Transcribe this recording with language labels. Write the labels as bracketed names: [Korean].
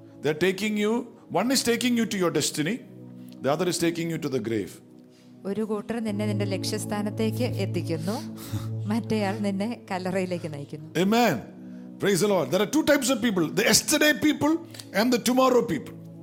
[English] They are taking you, one is taking you to your destiny, the other is taking you to the grave. [Malayalam] ഒരു കൂട്ടർ നിന്നെ നിന്റെ ലക്ഷ്യസ്ഥാനത്തേക്ക് എത്തിക്കുന്നു, മറ്റേയാൾ നിന്നെ കല്ലറയിലേക്ക് നയിക്കുന്നു. [English] Amen. Praise the Lord. There are two types of people, the yesterday people and the tomorrow people.